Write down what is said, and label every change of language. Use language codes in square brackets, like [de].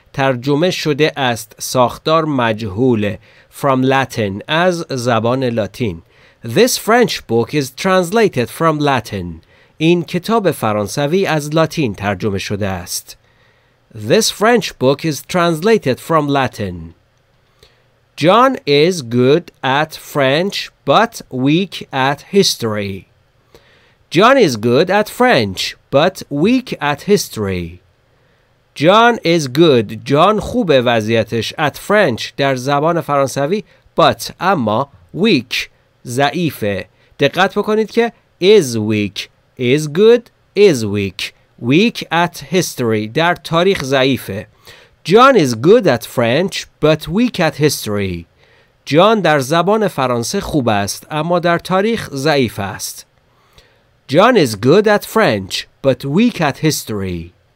[fa] ترجمه شده است. ساختار مجهوله. [en] From Latin. [fa] از زبان لاتین. [en] This French book is translated from Latin. [fa] این کتاب فرانسوی از لاتین ترجمه شده است. [en] This French book is translated from Latin. John is good at French but weak at history. John is good at French but weak at history. John is good. John [fa] خوبه وضعیتش [en] at French [fa] در زبان فرانسوی [en] but [fa] اما [en] weak [fa] ضعیفه. دقت بکنید که [en] is weak. Is good. Is weak. Weak at history. [fa] در تاریخ ضعیفه. [en] John is good at French, but weak at history. [fa] John در زبان فرانسه خوب است, اما در تاریخ ضعیف است. [en] John is good at French, but weak at history.